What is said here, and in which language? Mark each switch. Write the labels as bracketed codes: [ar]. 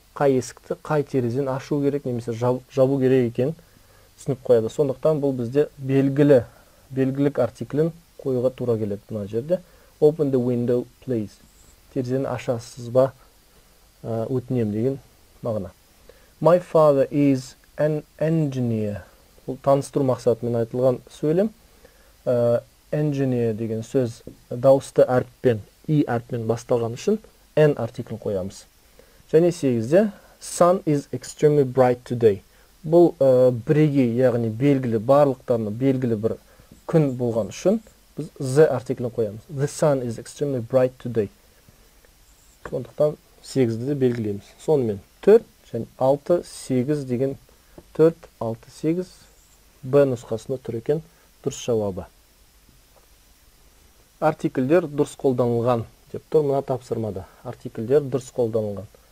[kk] Қай есікті, қай терезен ашу керек, немесе жабу керек екен түсініп қояды. Сондықтан бұл бізде белгілік артиклін қоюға тура келеді мына жерде. [en] Open the window, please. [kk] Терезені ашасыз ба, өтінем деген мағына. [en] My father is an engineer. [kk] Бұл таныстыру мақсатымен айтылған сөйлем. Engineer деген сөз дауысты әрппен, и әрппен басталған үшін an артиклін қоямыз. Және 8-де [en] sun is extremely bright today. [kk] Бұл бірегей, яғни белгілі барлықтарына белгілі бір күн болған үшін біз the артиклін қоямыз. [en] The sun is extremely bright today. [kk] Сондықтан 8-ді де белгілейміз. Сонымен 4 және 6, 8 деген 4, 6, 8 B нұсқасында тұр екен дұрыс жауабы. Артикльдер дұрыс қолданылған деп тұр мына тапсырмада. Артикльдер дұрыс қолданылған.